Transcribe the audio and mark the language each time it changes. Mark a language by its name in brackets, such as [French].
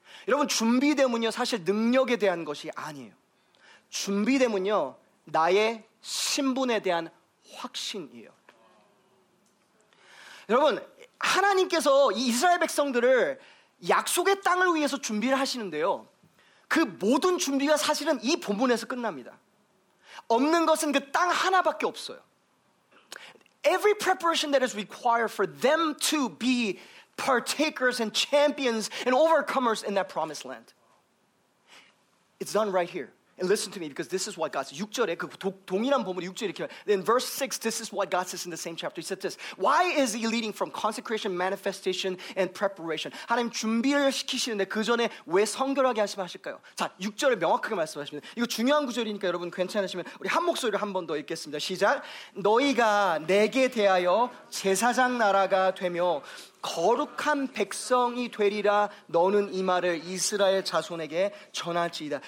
[Korean] 여러분, 준비됨은요, 사실 능력에 대한 것이 아니에요. 준비됨은요, 나의 신분에 대한 확신이에요. 여러분, 하나님께서 이 이스라엘 백성들을 약속의 땅을 위해서 준비를 하시는데요, 그 모든 준비가 사실은 이 본문에서 끝납니다. 없는 것은 그 땅 하나밖에 없어요. [English] Every preparation that is required for them to be partakers and champions and overcomers in that promised land, it's done right here. And listen to me, because this is what God says. [Korean] 6절에 그 동일한 본문 6절 이렇게. [English] In verse 6, this is what God says in the same chapter. He said this. Why is he leading from consecration, manifestation, and preparation? [Korean] 하나님 준비를 시키시는데 그 전에 왜 성결하게 하실까요? 자, 6절을 명확하게 말씀하십니다. 이거 중요한 구절이니까 여러분 괜찮으시면 우리 한 목소리를 한 번 더 읽겠습니다. 시작. 너희가 내게 대하여 제사장 나라가 되며 거룩한 백성이 되리라 너는 이 말을 이스라엘 자손에게 전할지이다.